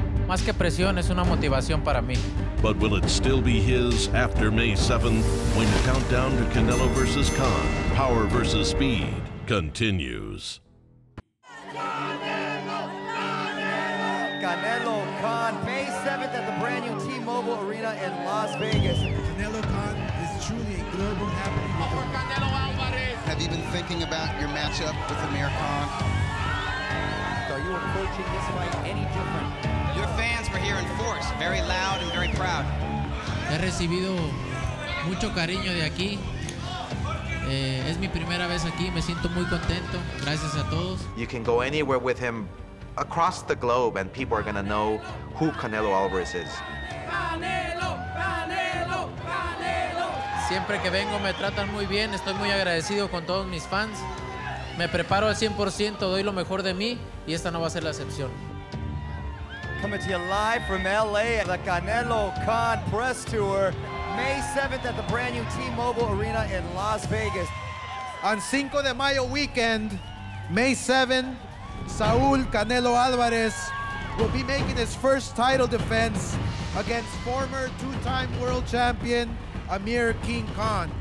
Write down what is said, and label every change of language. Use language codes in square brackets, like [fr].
[es] Más que presión, es una motivación para mí. [en] But will it still be his after May 7th when the countdown to Canelo versus Khan, Power versus Speed, continues? Canelo Khan, May 7th at the brand new T-Mobile Arena in Las Vegas. Canelo Khan is truly a global happening. Up for Canelo Alvarez. Have you been thinking about your matchup with Amir Khan? Are you approaching this fight any different? Your fans were here in force, very loud and very proud. [es] He recibido mucho cariño de aquí. Es mi primera vez aquí, me siento muy contento. Gracias a todos. [en] You can go anywhere with him across the globe and people are gonna know who Canelo Alvarez is. Canelo, Canelo, Canelo. [es] Siempre que vengo me tratan muy bien, estoy muy agradecido con todos mis fans. Me preparo al 100%, doy lo mejor de mí y esta no va a ser la excepción. [en] Coming to you live from LA at the Canelo Khan press tour, May 7th at the brand new T-Mobile Arena in Las Vegas. On Cinco de Mayo weekend, May 7th, Saul Canelo Alvarez will be making his first title defense against former two-time world champion Amir King Khan.